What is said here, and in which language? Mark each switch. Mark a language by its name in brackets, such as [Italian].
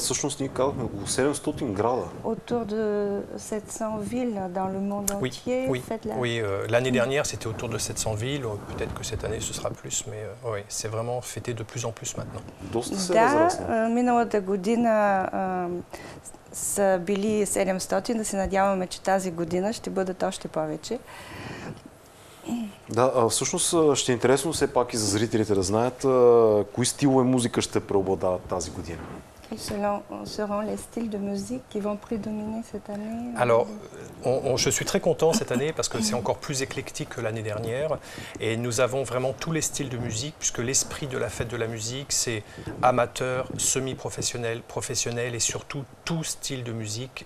[Bulgarian] Всъщност ние казахме около 700 града. [French] Autour de 700 villes dans le monde entier. Oui. L'année dernière, c'était autour de 700 villes. Peut-être que cette année, ce sera plus, mais oui, c'est vraiment fêté de plus en plus maintenant. [Bulgarian] Да, миналата година са били 700, да се надяваме, че тази година ще бъдат още повече. Да, всъщност ще е интересно все пак и за зрителите да знаят кои стилове музика ще преобладават тази година. [French] Seront les styles de musique qui vont prédominer cette année? Alors, je suis très content cette année parce que c'est encore plus éclectique que l'année dernière. Et nous avons vraiment tous les styles de musique puisque l'esprit de la fête de la musique, c'est amateur, semi-professionnel, professionnel et surtout tout style de musique.